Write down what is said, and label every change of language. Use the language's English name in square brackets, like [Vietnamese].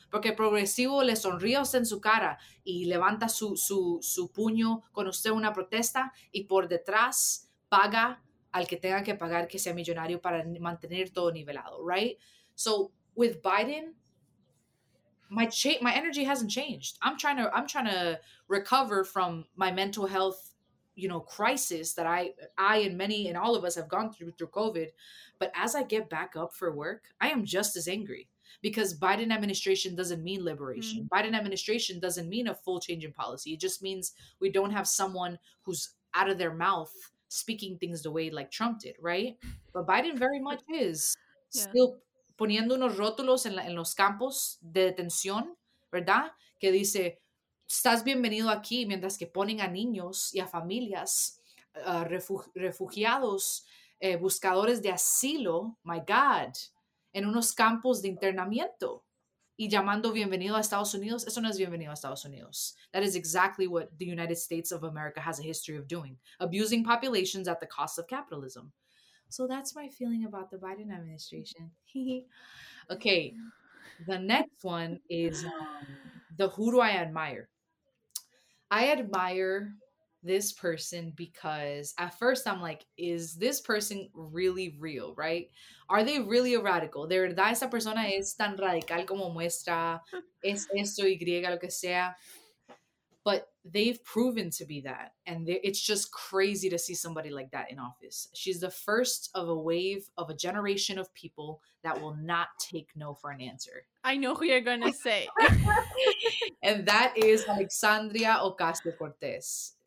[Spanish] Porque el progresivo le sonríe usted en su cara y levanta su puño con usted una protesta y por detrás paga al que tenga que pagar que sea millonario para mantener todo nivelado, [English] right? So with Biden, my energy hasn't changed. I'm trying to recover from my mental health, you know, crisis that I and many and all of us have gone through COVID. But as I get back up for work, I am just as angry because Biden administration doesn't mean liberation. Mm-hmm. Biden administration doesn't mean a full change in policy. It just means we don't have someone who's out of their mouth speaking things the way like Trump did, right? But Biden very much is still [Spanish] poniendo unos rótulos en los campos de detención, ¿verdad? Que dice, estás bienvenido aquí, mientras que ponen a niños y a familias, refugiados, buscadores de asilo, [English] my God, [Spanish] en unos campos de internamiento. Y llamando bienvenido a Estados Unidos, eso no es bienvenido a Estados Unidos. [English] That is exactly what the United States of America has a history of doing. Abusing populations at the cost of capitalism. So that's my feeling about the Biden administration. Okay, the next one is the who do I admire? I admire this person because at first I'm like, is this person really real, right? Are they really a radical? De verdad, esa persona es tan radical como muestra, es esto, y griega, lo que sea. But they've proven to be that. And it's just crazy to see somebody like that in office. She's the first of a wave of a generation of people that will not take no for an answer. I know who you're going to say. And that is Alexandria Ocasio-Cortez.